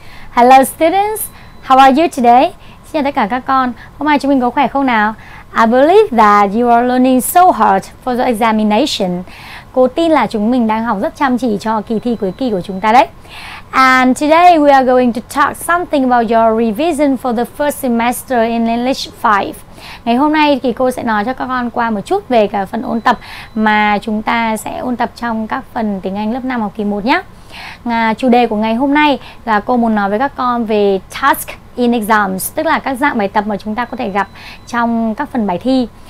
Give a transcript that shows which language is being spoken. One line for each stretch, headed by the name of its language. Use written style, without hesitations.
English: Hello students, how are you today?
Vietnamese: Xin chào tất cả các con, hôm nay chúng mình có khỏe không nào?
English: I believe that you are learning so hard for the examination.
Vietnamese: Cô tin là chúng mình đang học rất chăm chỉ cho kỳ thi cuối kỳ của chúng ta đấy.
English: And today we are going to talk something about your revision for the first semester in English 5.
Vietnamese: Ngày hôm nay thì cô sẽ nói cho các con qua một chút về cả phần ôn tập mà chúng ta sẽ ôn tập trong các phần tiếng Anh lớp 5 học kỳ 1 nhé. Chủ đề của ngày hôm nay là cô muốn nói với các con về
English: task in exams,
Vietnamese: tức là các dạng bài tập mà chúng ta có thể gặp trong các phần bài thi.